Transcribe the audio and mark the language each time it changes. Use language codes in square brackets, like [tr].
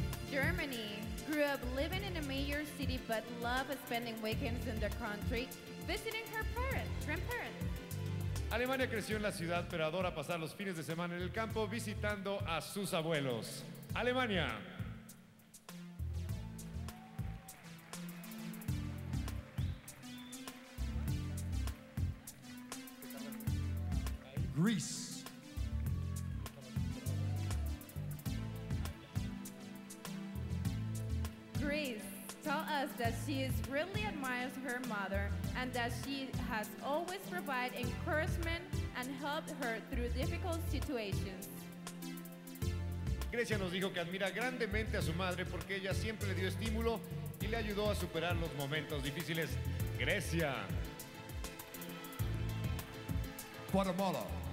[en] Germany grew up living in a major city, but loved spending weekends in the country, visiting her parents, grandparents. [es] Alemania creció en la ciudad, pero adora pasar los fines de semana en el campo visitando a sus abuelos. Alemania. [en] Greece. Greece told us that she really admires her mother and that she has always provided encouragement and helped her through difficult situations. [es] Grecia nos dijo que admira grandemente a su madre porque ella siempre le dio estímulo y le ayudó a superar los momentos difíciles. Grecia. [en] Guatemala.